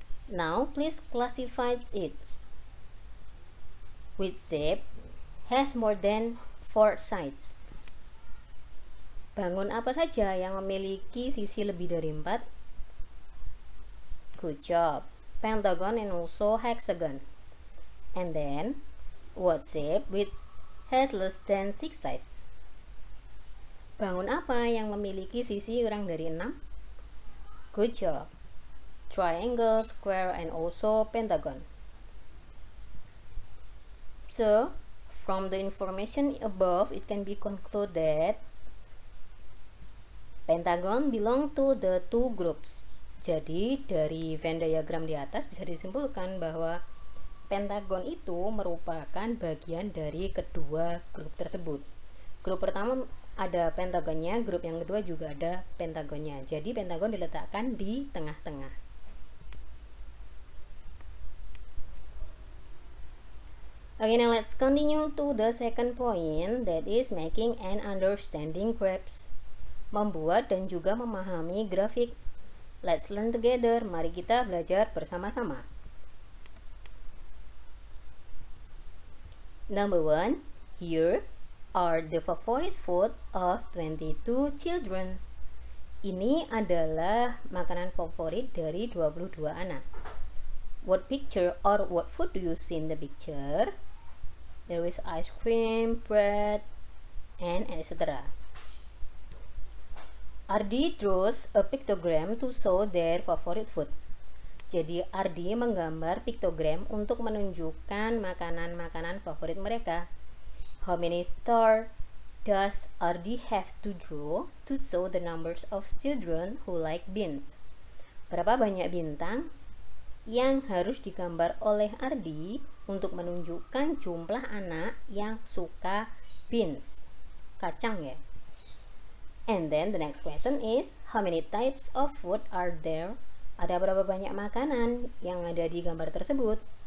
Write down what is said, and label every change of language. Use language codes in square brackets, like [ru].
[en] Now, please classify it. Which shape has more than four sides? [id] Bangun apa saja yang memiliki sisi lebih dari empat? [en] Good job. Pentagon and also hexagon. And then, what shape which has less than six sides? [id] Bangun apa yang memiliki sisi kurang dari enam? [en] Good job. Triangle, square, and also pentagon. So, from the information above, it can be concluded that pentagon belong to the two groups. [id] Jadi, dari Venn diagram di atas bisa disimpulkan bahwa pentagon itu merupakan bagian dari kedua grup tersebut. Grup pertama ada pentagonnya, grup yang kedua juga ada pentagonnya. Jadi, pentagon diletakkan di tengah-tengah. [en] Okay, now let's continue to the second point, that is making and understanding graphs. [id] Membuat dan juga memahami grafik. [en] Let's learn together. [id] Mari kita belajar bersama-sama. [en] Number one, here are the favorite food of 22 children. [id] Ini adalah makanan favorit dari 22 anak. [en] What picture or what food do you see in the picture? There is ice cream, bread, and etc. Ardi draws a pictogram to show their favorite food. [id] Jadi Ardi menggambar piktogram untuk menunjukkan makanan-makanan favorit mereka. [en] How many stars does Ardi have to draw to show the numbers of children who like beans? [id] Berapa banyak bintang yang harus digambar oleh Ardi untuk menunjukkan jumlah anak yang suka beans? Kacang ya. [en] And then the next question is, how many types of food are there? [id] Ada berapa banyak makanan yang ada di gambar tersebut?